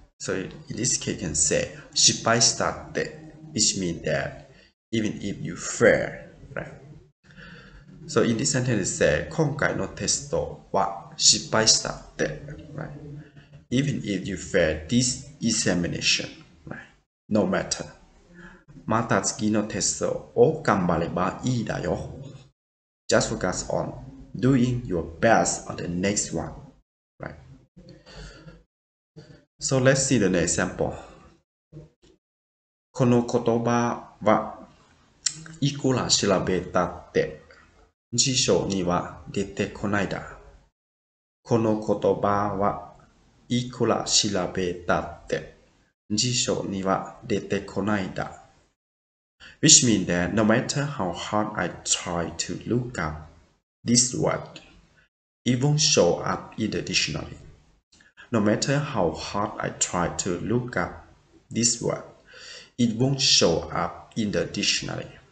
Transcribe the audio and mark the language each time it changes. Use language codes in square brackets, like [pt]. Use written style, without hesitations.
[en] So in this case, you can say [ja] 失敗したって、 [en] which means that even if you fail, right? So in this sentence, say [ja] 今回のテストは失敗したって、 [en] right? Even if you fail this examination, no matter. [ja] また次のテストを頑張ればいいだよ。 [en] Just focus on doing your best on the next one. So let's see the next example. [ja] この言葉はいくら調べたって辞書には出てこないだ。この言葉はいくら調べたって辞書には出てこないだ。 [en] Which means that no matter how hard I try to look up this word, it won't show up in the dictionary. No matter how hard I try to look up this word, it won't show up in the dictionary.